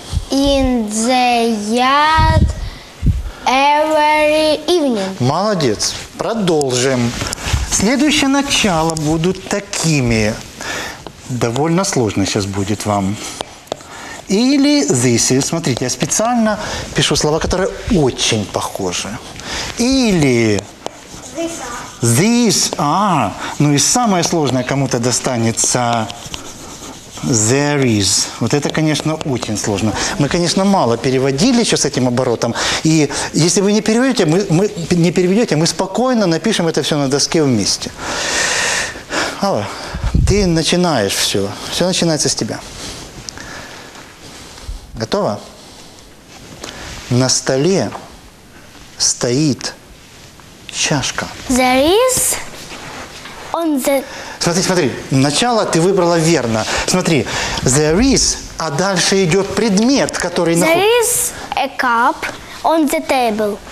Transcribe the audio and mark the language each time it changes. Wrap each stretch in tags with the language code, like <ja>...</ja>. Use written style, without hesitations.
<en>In the yard every evening.</en> <ru>Молодец. Продолжим. Следующее начало будут такими. Довольно сложно сейчас будет вам. Или</ru> <en>this is.</en> <ru>Смотрите, я специально пишу слова, которые очень похожи. Или</ru> <en>this are.</en> <ru>Ну и самое сложное кому-то достанется</ru> <en>there is.</en> <ru>Вот это, конечно, очень сложно. Мы, конечно, мало переводили еще с этим оборотом. И если вы не переведете, мы спокойно напишем это все на доске вместе. Алла, ты начинаешь все. Все начинается с тебя. Готово? На столе стоит чашка.</ru> <en>There is on the...</en> <ru>Смотри, смотри, начало ты выбрала верно. Смотри,</ru> <en>there is,</en> <ru>а дальше идет предмет, который...</ru> <en>There is a cup on the table.</en>